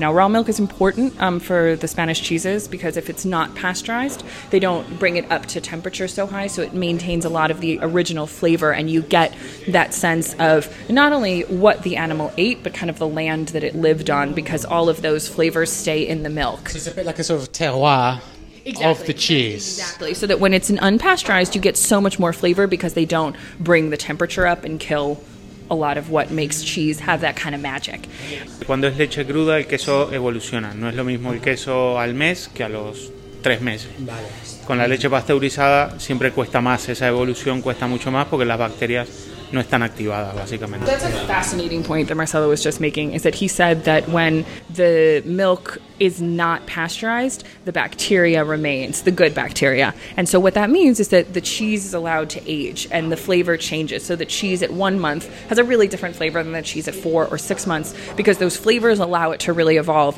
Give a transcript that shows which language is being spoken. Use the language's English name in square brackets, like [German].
[English] Now, raw milk is important for the Spanish cheeses because if it's not pasteurized, they don't bring it up to temperature so high, so it maintains a lot of the original flavor, and you get that sense of not only what the animal ate, but kind of the land that it lived on, because all of those flavors stay in the milk. So it's a bit like a sort of terroir. Exactly. Of the cheese. Exactly. So that when it's an unpasteurized, you get so much more flavor because they don't bring the temperature up and kill a lot of what makes cheese have that kind of magic. [Spanish] Cuando es leche cruda, el queso evoluciona. No es lo mismo el queso al mes que a los 3 meses. Vale. Con la leche pasteurizada siempre cuesta más. Esa evolución cuesta mucho más porque las bacterias no están activadas, básicamente. [English] That's a fascinating point that Marcelo was just making, is that he said that when the milk is not pasteurized, the bacteria remains, the good bacteria. And so what that means is that the cheese is allowed to age and the flavor changes. So the cheese at 1 month has a really different flavor than the cheese at 4 or 6 months, because those flavors allow it to really evolve.